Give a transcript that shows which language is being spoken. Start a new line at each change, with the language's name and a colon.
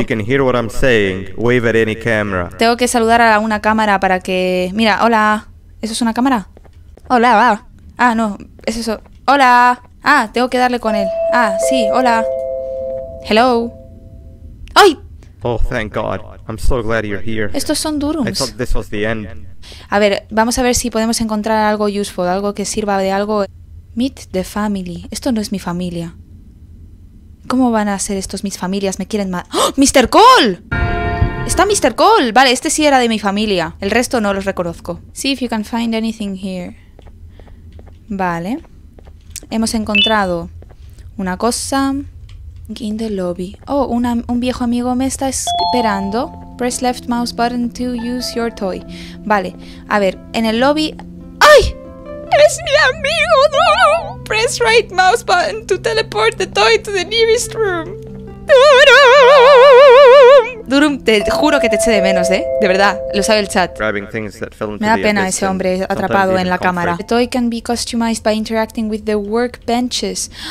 English: If you can hear what I'm saying, wave at any camera.
Spanish: Tengo que saludar a una cámara para que... Mira, hola. ¿Eso es una cámara? Hola, va. Ah, no, es eso. Hola. Ah, tengo que darle con él. Ah, sí, hola. Hello. ¡Ay!
English: Oh, thank God. I'm so glad you're here.
Spanish: Estos son Durums.
English: I thought this was the end.
Spanish: A ver, vamos a ver si podemos encontrar algo useful, algo que sirva de algo...
English: Meet the family.
Spanish: Esto no es mi familia. ¿Cómo van a ser estos mis familias? Me quieren más. ¡Oh! ¡Mr. Cole! ¡Está Mr. Cole! Vale, este sí era de mi familia. El resto no los reconozco.
English: See if you can find anything here.
Spanish: Vale. Hemos encontrado una cosa.
English: In the lobby.
Spanish: Oh, un viejo amigo me está esperando.
English: Press left mouse button to use your toy. Vale.
Spanish: A ver, en el lobby... ¡Ay! ¡Es mi amigo! ¡Durum!
English: Press right mouse button to teleport the toy to the nearest room.
Spanish: ¡Durum! Durum, te juro que te eché de menos, ¿eh? De verdad, lo sabe el chat. Me da pena ese hombre atrapado en la cámara.
English: The toy can be customized by interacting with the workbenches.